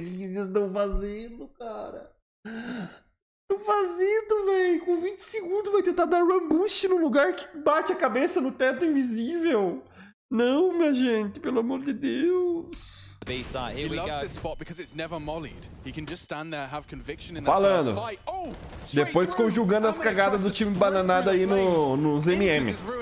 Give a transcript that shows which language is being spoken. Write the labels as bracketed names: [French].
[Portuguese] O que vocês estão fazendo, cara? Estão fazendo, velho. Com 20 segundos vai tentar dar run boost num lugar que bate a cabeça no teto invisível. Não, minha gente, pelo amor de Deus. [English] He loves this spot because it's never mollied. He can just stand there, have conviction in [Portuguese] falando. [English] That first fight. [Portuguese] Oh, depois conjugando as cagadas do time bananada aí nos MM.